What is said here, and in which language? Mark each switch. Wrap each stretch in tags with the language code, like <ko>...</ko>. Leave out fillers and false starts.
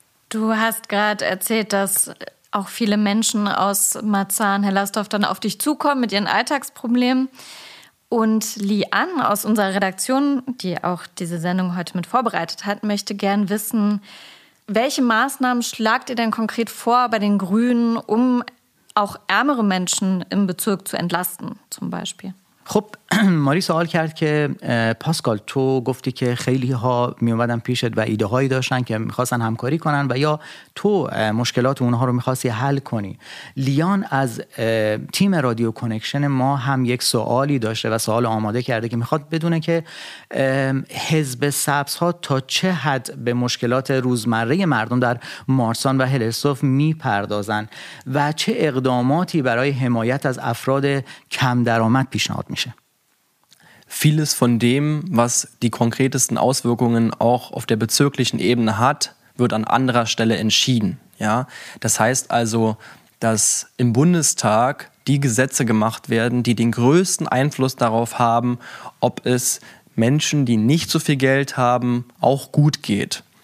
<de>Du hast gerade erzählt, dass auch viele Menschen aus Marzahn-Hellersdorf dann auf dich zukommen mit ihren Alltagsproblemen. Und Lian aus unserer Redaktion, die auch diese Sendung heute mit vorbereitet hat, möchte gern wissen, welche Maßnahmen schlagt ihr denn konkret vor bei den Grünen, um auch ärmere Menschen im Bezirk zu entlasten, zum Beispiel?</de> <fa>خب ماری سوال کرد که پاسکال تو گفتی که خیلی ها می اومدن پیشت و ایده هایی داشتن که میخواستن همکاری کنن و یا تو مشکلات اونها رو میخواستی حل کنی. لیان از تیم رادیو کانکشن ما هم یک سوالی داشته و سوال آماده کرده که میخواد بدونه که حزب سبز ها تا چه حد به مشکلات روزمره مردم در مارسان و هلرسوف میپردازن و چه اقداماتی برای حمایت از افراد کم درآمد پیشنهاد میشه.</fa> <de>Vieles von dem, was die konkretesten Auswirkungen auch auf der bezirklichen Ebene hat, wird an anderer Stelle entschieden. Ja, das heißt also, dass im Bundestag die Gesetze gemacht werden, die den größten Einfluss darauf haben, ob es Menschen, die nicht so viel Geld haben, auch gut geht.</de>